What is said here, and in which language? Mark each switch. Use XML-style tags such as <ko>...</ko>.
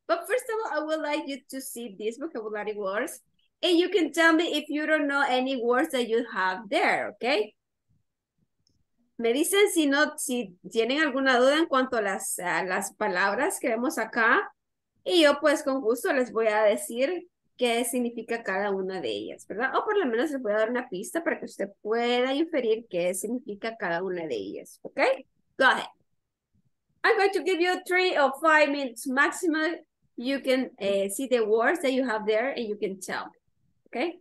<en>But first of all, I would like you to see these vocabulary words. And you can tell me if you don't know any words that you have there, okay?</en> <es>Me dicen si no, si tienen alguna duda en cuanto a las palabras que vemos acá. Y yo, pues, con gusto les voy a decir qué significa cada una de ellas, ¿verdad? O por lo menos les voy a dar una pista para que usted pueda inferir qué significa cada una de ellas, ¿ok?</es> <en>Go ahead. I'm going to give you 3 or 5 minutes maximum. You can see the words that you have there and you can tell me, ¿ok?</en>